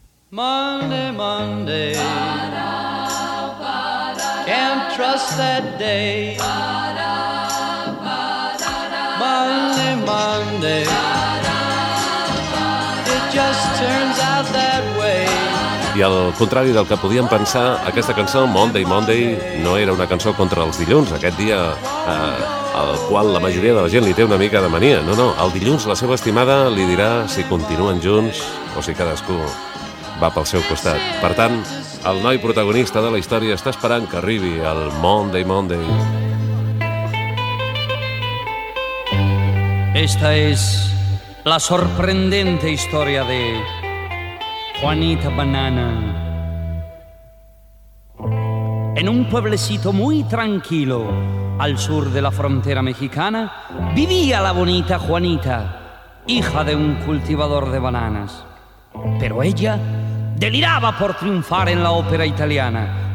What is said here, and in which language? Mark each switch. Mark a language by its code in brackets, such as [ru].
[en] Monday, Monday, can't trust that day. Monday, Monday, it just turns out that way. [ca] I al contrari del que podíem pensar, aquesta cançó, Monday, Monday, no era una cançó contra els dilluns, aquest dia al qual la majoria de la gent li té una mica de mania. No, no, el dilluns la seva estimada li dirà si continuen junts o si cadascú va pel seu costat. Per tant, el noi protagonista de la història està esperant que arribi el Monday, Monday. [es] Esta es la sorprendente historia de Juanita Banana. En un pueblecito muy tranquilo al sur de la frontera mexicana vivía la bonita Juanita, hija de un cultivador de bananas. Pero ella deliraba por triunfar en la ópera italiana,